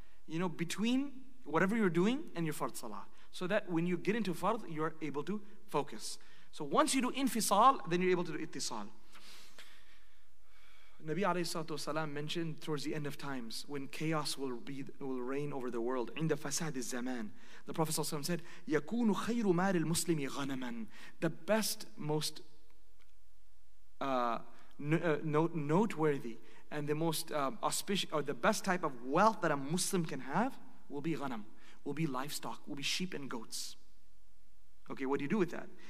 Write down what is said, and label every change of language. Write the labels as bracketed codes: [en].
[en] You know, between whatever you're doing and your fard salah. So that when you get into fard, you're able to focus. So once you do infisal, then you're able to do ittisal. Nabi alayhi salatu wasalam mentioned towards the end of times when chaos will reign over the world. [ar] عند فساد الزمان. [en] The Prophet ﷺ said, [ar] يكون خير مال المسلم غنما. [en] The best, most noteworthy and the most auspicious, or the best type of wealth that a Muslim can have will be غنم, will be livestock, will be sheep and goats. Okay, what do you do with that?